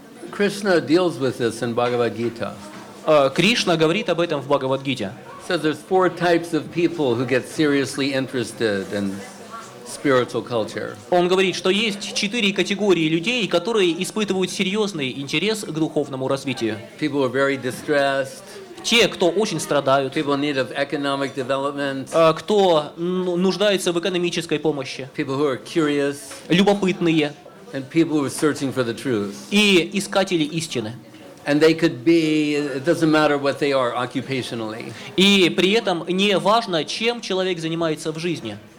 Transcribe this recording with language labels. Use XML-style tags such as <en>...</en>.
<en>Krishna deals with this in Bhagavad Gita.</en> <ru>Krishna говорит об этом в Bhagavad Gita.</ru> <en>Says there's four types of people who get seriously interested in spiritual culture.</en> <ru>Он говорит, что есть четыре категории людей, которые испытывают серьезный интерес к духовному развитию.</ru> <en>People are very distressed.</en> <ru>Те, кто очень страдают.</ru> <en>People need of economic development.</en> <ru>Кто нуждается в экономической помощи.</ru> <en>People who are curious.</en> <ru>Любопытные.</ru> <en>And people who are searching for the truth.</en> <ru>И искатели истины.</ru> <en>And they could be, it doesn't matter what they are occupationally.</en> <ru>И при этом не важно, чем человек занимается в жизни.</ru>